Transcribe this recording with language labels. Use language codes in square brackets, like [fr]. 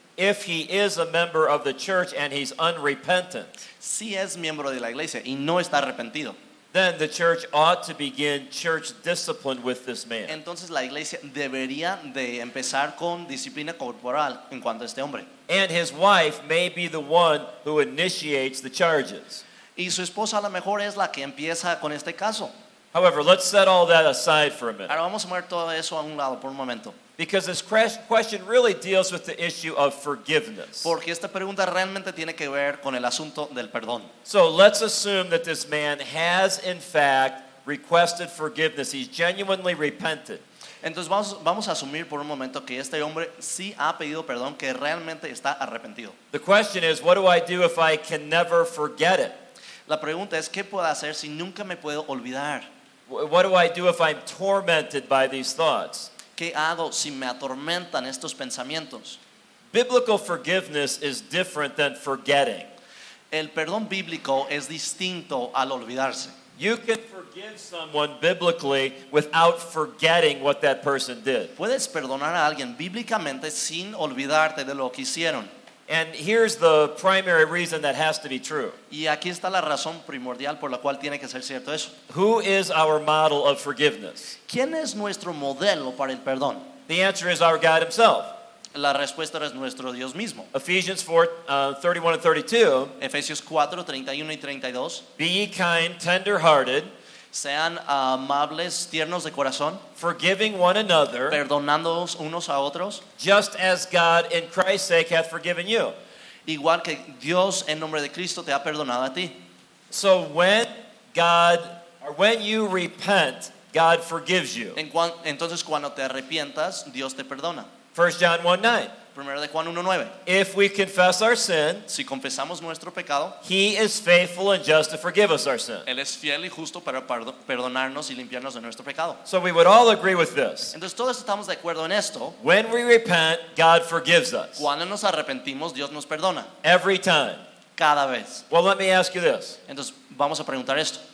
[en] If he is a member of the church and he's unrepentant, [es] si es miembro de la iglesia y no está arrepentido, [en] then the church ought to begin church discipline with this man. [es] Entonces la iglesia debería de empezar con disciplina corporal en cuanto a este hombre. [en] And his wife may be the one who initiates the charges. [es] Y su esposa a lo mejor es la que empieza con este caso. [en] However, let's set all that aside for a minute. [es] Ahora vamos a poner todo eso a un lado por un momento. [en] Because this question really deals with the issue of forgiveness. [es] Porque esta pregunta realmente tiene que ver con el asunto del perdón. [en] So let's assume that this man has in fact requested forgiveness. He's genuinely repented. [es] Entonces vamos a asumir por un momento que este hombre sí ha pedido perdón, que realmente está arrepentido. [en] The question is, what do I do if I can never forget it? [es] La pregunta es, ¿qué puedo hacer si nunca me puedo olvidar? [en] What do I do if I'm tormented by these thoughts? [es] ¿Qué hago si me atormentan estos pensamientos? [en] Biblical forgiveness is different than forgetting. [es] El perdón bíblico es distinto al olvidarse. [en] You can forgive someone biblically without forgetting what that person did. [es] Puedes perdonar a alguien bíblicamente sin olvidarte de lo que hicieron. [en] And here's the primary reason that has to be true. [es] Y aquí está la razón primordial por la cual tiene que ser cierto eso. [en] Who is our model of forgiveness? [es] ¿Quién es nuestro modelo para el perdón? [en] The answer is our God himself. [es] La respuesta es nuestro Dios mismo. [en] Ephesians 4, 31 and 32. [es] Efesios 4, 31 y 32. [en] Be ye kind, tender hearted. [es] Sean amables, tiernos de corazón. [en] Forgiving one another. [es] Perdonándoos unos a otros. [en] Just as God in Christ's sake hath forgiven you. [es] Igual que Dios en nombre de Cristo te ha perdonado a ti. [en] So when God, or when you repent, God forgives you. [es] Entonces cuando te arrepientas, Dios te perdona. [en] 1 John 1:9. [es] Primero de Juan 1:9. [en] If we confess our sin, [es] si confesamos nuestro pecado, [en] he is faithful and just to forgive us our sin. [es] Él es fiel y justo para perdonarnos y limpiarnos de nuestro pecado. [en] So we would all agree with this. [es] Entonces todos estamos de acuerdo en esto. [en] When we repent, God forgives us. [es] Cuando nos arrepentimos, Dios nos perdona. [en] Every time. [es] Cada vez. [en] Well, let me ask you this. [es] Entonces vamos a preguntar esto.